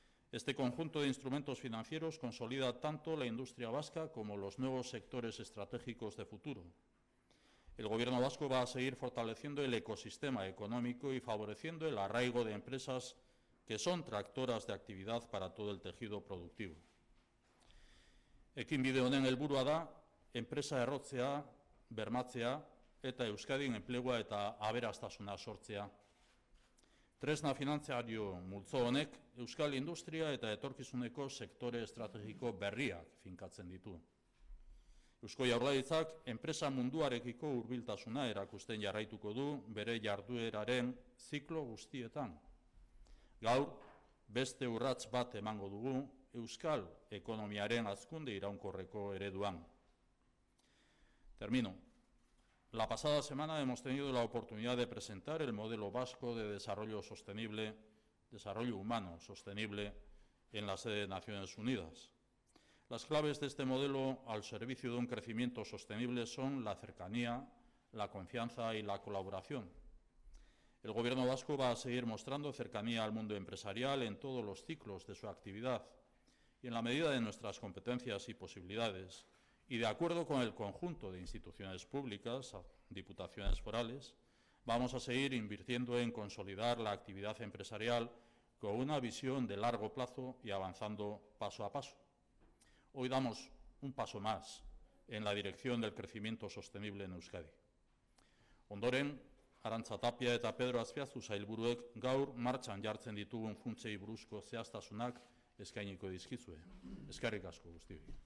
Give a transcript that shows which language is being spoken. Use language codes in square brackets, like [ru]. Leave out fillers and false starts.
[es] Este conjunto de instrumentos financieros consolida tanto la industria vasca como los nuevos sectores estratégicos de futuro. El Gobierno vasco va a seguir fortaleciendo el ecosistema económico y favoreciendo el arraigo de empresas que son tractoras de actividad para todo el tejido productivo. [eu] Ekinbide honen helburua da, enpresa errotzea, bermatzea, eta Euskadin enplegua eta aberastasuna sortzea. Tresna finantziario multzo honek, Euskal industria eta etorkizuneko sektore estrategiko berriak finkatzen ditu. Eusko Jaurlaritzak, enpresa munduarekiko hurbiltasuna erakusten jarraituko du bere jardueraren ziklo guztietan. Gaur, beste urrats bat emango dugu euskal ekonomiaren azkunde iraunkorreko ereduan. [es] Termino. La pasada semana hemos tenido la oportunidad de presentar el modelo vasco de desarrollo sostenible, desarrollo humano sostenible, en la sede de Naciones Unidas. Las claves de este modelo al servicio de un crecimiento sostenible son la cercanía, la confianza y la colaboración. El Gobierno vasco va a seguir mostrando cercanía al mundo empresarial en todos los ciclos de su actividad y en la medida de nuestras competencias y posibilidades, y de acuerdo con el conjunto de instituciones públicas, diputaciones forales, vamos a seguir invirtiendo en consolidar la actividad empresarial con una visión de largo plazo y avanzando paso a paso. Hoy damos un paso más en la dirección del crecimiento sostenible en Euskadi. [eu] Ondoren, Arantza Tapia eta Pedro Azpiazu sailburuek gaur martxan jartzen ditugun funtsei buruzko zehaztasunak eskainiko dizkizue. Eskerrik asko guztioi.